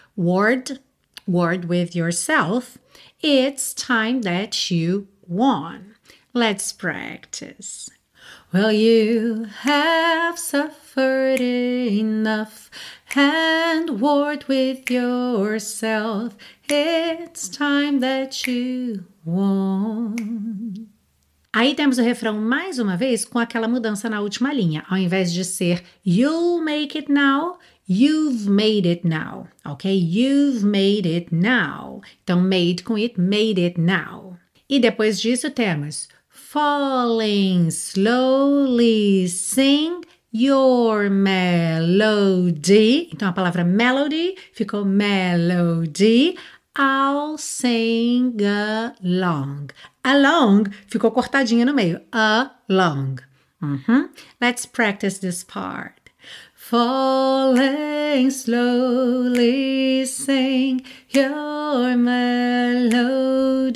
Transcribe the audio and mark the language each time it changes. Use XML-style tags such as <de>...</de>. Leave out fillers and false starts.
<en>Warred, warred with yourself. It's time that you won. Let's practice. Well, you have suffered enough and warred with yourself. It's time that you won.</en> <pt>Aí temos o refrão mais uma vez com aquela mudança na última linha. Ao invés de ser you'll make it now, you've made it now. Ok?</pt> <en>You've made it now. Então, made com it, made it now.</en> <pt>E depois disso temos falling slowly, sing your melody. Então, a palavra melody ficou melody.</pt> <en>I'll sing along.</en> <pt>Along ficou cortadinha no meio.</pt> <en>Along. Uh-huh. Let's practice this part. Falling slowly, sing your melody.</en>